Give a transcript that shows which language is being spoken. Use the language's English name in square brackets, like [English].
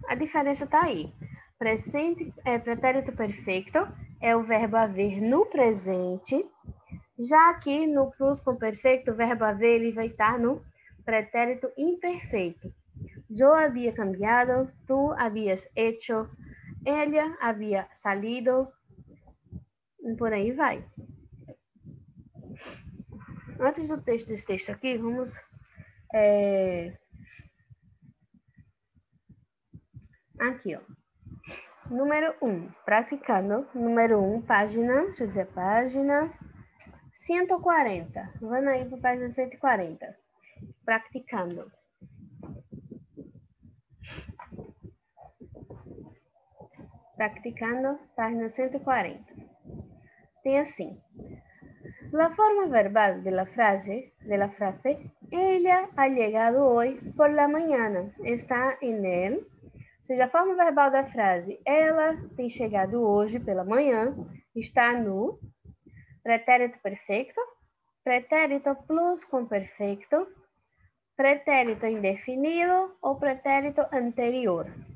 [Portuguese] A diferença está aí. Pretérito perfeito é o verbo haver no presente, já que no pluscuamperfeito, o verbo haver ele vai estar no pretérito imperfeito. [Spanish] Yo había cambiado, tú habías hecho, ella había salido, [Portuguese] e por aí vai. Antes do texto, desse texto aqui, vamos aqui, ó. Número 1, praticando. Número 1, página, deixa eu dizer, página 140. Vamos aí para a página 140. Praticando. [Spanish] Practicando, página 140. [Portuguese] Tem assim. [Spanish] La forma verbal de la frase, ella ha llegado hoy por la mañana. Está en él. [Portuguese] Ou seja, a forma verbal da frase, ela tem chegado hoje pela manhã, está no pretérito perfeito, pretérito pluscuamperfeito, pretérito indefinido ou pretérito anterior.